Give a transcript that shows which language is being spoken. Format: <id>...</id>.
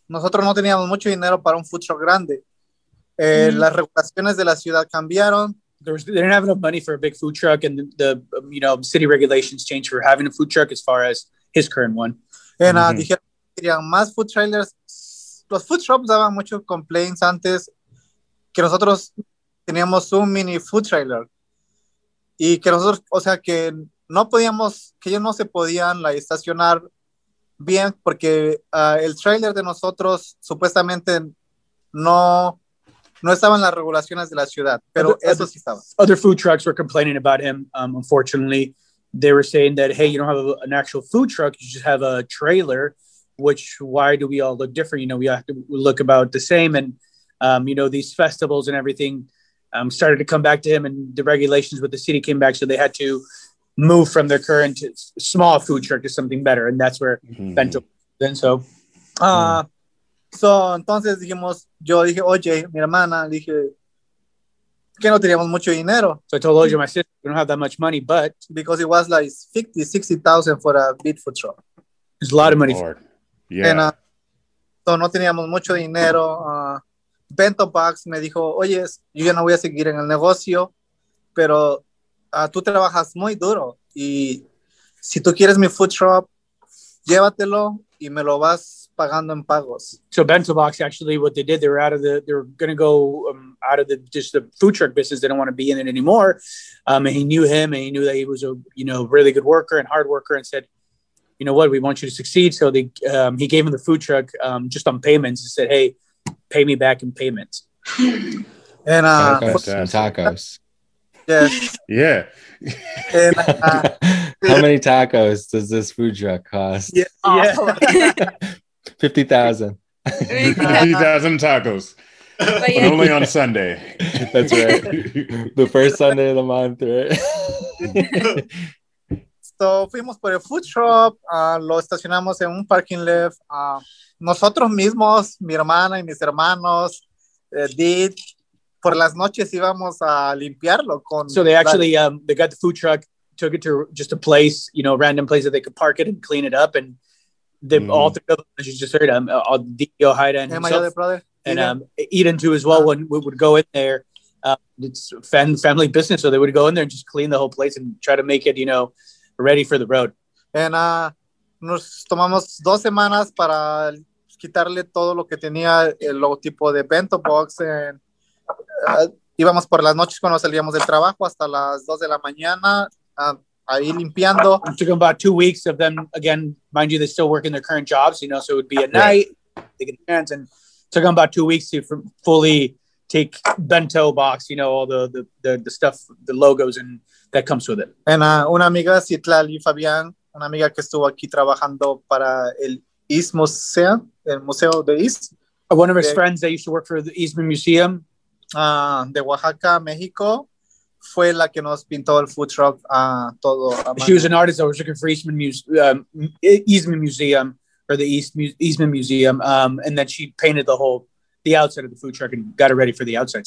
<es>Nosotros no teníamos mucho dinero para un food truck grande. Las regulaciones de la ciudad cambiaron.</es> <en>They didn't have enough money for a big food truck, and the you know, city regulations changed for having a food truck as far as his current one. And</en> <es>dijeron que querían más food trailers. Los food trucks daban mucho complaints antes que nosotros teníamos un mini food trailer. Y que nosotros, o sea, que no podíamos, que ellos no se podían</es> <en>like,</en> <es>estacionar bien porque el trailer de nosotros supuestamente no... No estaban las regulaciones de la ciudad, pero eso sí estaba.</es> <en>Other food trucks were complaining about him. Unfortunately, they were saying that, hey, you don't have an actual food truck. You just have a trailer, which why do we all look different? You know, we have to look about the same. And, you know, these festivals and everything started to come back to him, and the regulations with the city came back. So they had to move from their current small food truck to something better. And that's where Bento was. And so... So,</en> <es>entonces dijimos, yo dije, oye, mi hermana, dije, que no teníamos mucho dinero.</es> <en>So I told Oye, my sister, we don't have that much money, but. Because it was like 50, 60,000 for a big food truck. It's a lot of money. Yeah. And, so</en> <es>no teníamos mucho dinero. Bento Box me dijo, oye, yo ya no voy a seguir en el negocio, pero tú trabajas muy duro y si tú quieres mi food truck, llévatelo y me lo vas pagando en pagos.</es> <en>So Bento Box, actually, what they did, they're going to go out of the just the food truck business. They don't want to be in it anymore. And he knew him and he knew that he was a, you know, really good worker and hard worker, and said, you know what, we want you to succeed. So they, he gave him the food truck just on payments and said, hey, pay me back in payments. And tacos. Yeah. Yeah. How many tacos does this food truck cost? Yeah. 50,000. 50,000 tacos. But only on Sunday. That's right. The first Sunday of the month, right? So</en> <es>fuimos por el food truck, lo estacionamos en un parking lot. Nosotros mismos, mi hermana y mis hermanos,</es> <en>did.</en> <es>Por las noches íbamos a limpiarlo con.</es> <en>So they actually they got the food truck, took it to just a place, you know, random place that they could park it and clean it up, and they all three of them, as you just heard, Dio, Haida, and himself, Eden too as well. When we would go in there, it's family business, so they would go in there and just clean the whole place and try to make it, you know, ready for the road. And</en> <es>nos tomamos 2 semanas para quitarle todo lo que tenía el logotipo de Bento Box.</es> <en>And</en> <es>íbamos por las noches cuando salíamos del trabajo hasta las 2 de la mañana ahí limpiando.</es> <en>It took about 2 weeks of them, again, mind you, they're still working their current jobs, you know, so it would be at night, they get hands, and it took them about 2 weeks to fully take Bento Box, you know, all the stuff, the logos and that comes with it. And</en> <es>una amiga, Citlali Fabián, una amiga que estuvo aquí trabajando para el East Museum, el Museo de East.</es> <en>One of his friends that used to work for the Eastman Museum.</en> <es>De Oaxaca, Mexico, fue la que nos pintó el food truck todo.</es> <en>She was an artist that was working for Eastman Eastman Museum, or the Eastman Museum, and then she painted the outside of the food truck and got it ready for the outside.</en>